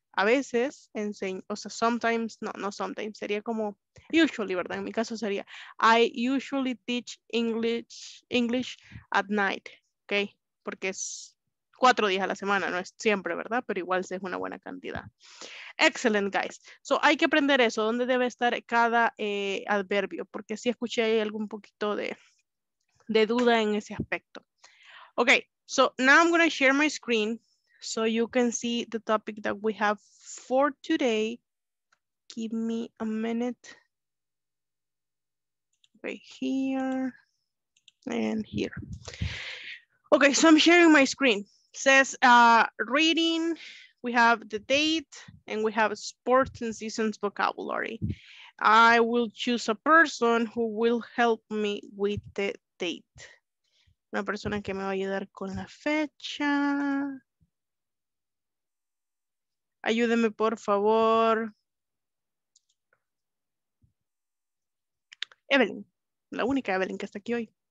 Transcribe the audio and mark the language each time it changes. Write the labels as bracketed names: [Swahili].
[Spanish] A veces enseño, o sea, sometimes, no sometimes, sería como usually, ¿verdad? En mi caso sería, [English] I usually teach English at night, [Spanish] ¿ok? Porque es 4 días a la semana, no es siempre, ¿verdad? Pero igual es una buena cantidad. [English] Excellent, guys. So, [Spanish] hay que aprender eso, ¿dónde debe estar cada adverbio? Porque sí escuché algún poquito de duda en ese aspecto. [English] Ok, so, now I'm going to share my screen. So you can see the topic that we have for today. Give me a minute. Right here and here. Okay, so I'm sharing my screen. It says reading, we have the date, and we have sports and seasons vocabulary. I will choose a person who will help me with the date. [Spanish] Una persona que me va a ayudar con la fecha. Ayúdeme, por favor. Evelyn, la única Evelyn que está aquí hoy.